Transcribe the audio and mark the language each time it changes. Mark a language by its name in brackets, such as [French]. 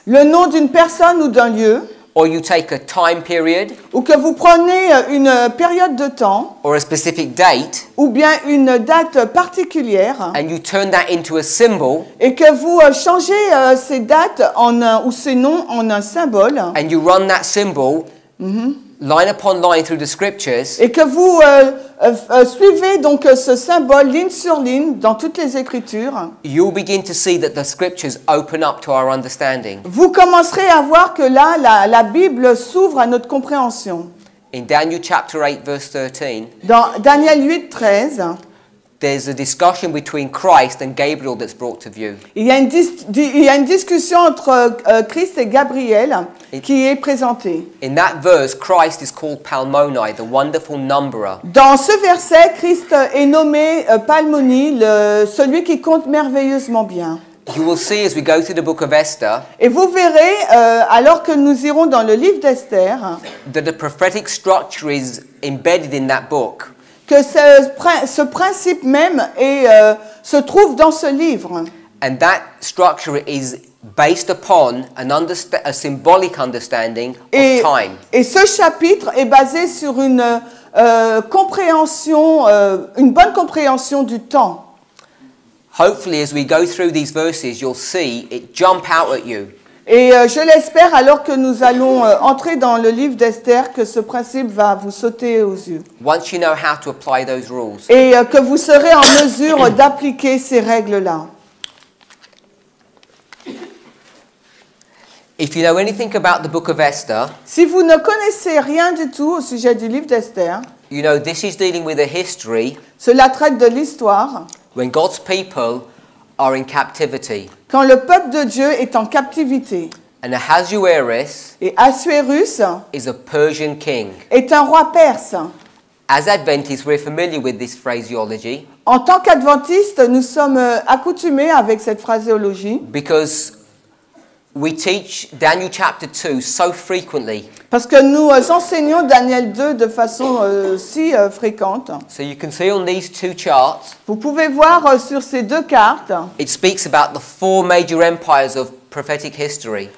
[French] le nom d'une personne ou d'un lieu, [English] or you take a time period, [French] ou que vous prenez une période de temps, [English] or a specific date, [French] ou bien une date particulière, [English] and you turn that into a symbol, [French] et que vous changez ces dates en ou ces noms en un symbole, [English] and you run that symbol line upon line through the scriptures, [French] et que vous suivez donc ce symbole ligne sur ligne dans toutes les écritures, [English] you'll begin to see that the scriptures open up to our understanding. [French] Vous commencerez à voir que là la Bible s'ouvre à notre compréhension. [English] In Daniel chapter 8 verse 13. [French] Dans Daniel 8 13. [English] There's a discussion between Christ and Gabriel that's brought to view. [French] Il y a une discussion entre Christ et Gabriel qui est présentée. [English] In that verse, Christ is called Palmoni, the wonderful numberer. [French] Dans ce verset, Christ est nommé Palmoni, celui qui compte merveilleusement bien. [English] You will see as we go through the book of Esther. [French] Et vous verrez alors que nous irons dans le livre d'Esther. [English] That the prophetic structure is embedded in that book. [French] Que ce principe même est, se trouve dans ce livre. [English] And that structure is based upon a symbolic understanding of time. [French] Et ce chapitre est basé sur une compréhension, une bonne compréhension du temps. [English] Hopefully, as we go through these verses, you'll see it jump out at you. [French] Et je l'espère, alors que nous allons entrer dans le livre d'Esther, que ce principe va vous sauter aux yeux. [English] Once you know how to apply those rules. [French] Et que vous serez en mesure d'appliquer ces règles-là. [English] If you know anything about the book of Esther, [French] si vous ne connaissez rien du tout au sujet du livre d'Esther, [English] you know, this is dealing with a history, [French] cela traite de l'histoire. [English] When God's people are in captivity. [French] Quand le peuple de Dieu est en captivité. [English] And Ahasuerus, [French] et Ahasuerus [English] is a Persian king. [French] Est un roi perse. [English] As Adventists, we're familiar with this phraseology. [French] En tant qu'adventistes, nous sommes accoutumés avec cette phraseologie. [English] Because we teach Daniel chapter 2 so frequently. [French] Parce que nous enseignons Daniel 2 de façon si fréquente. [English] So you can see on these two charts. [French] Vous pouvez voir sur ces deux cartes. [English] It speaks about the four major empires of prophetic history.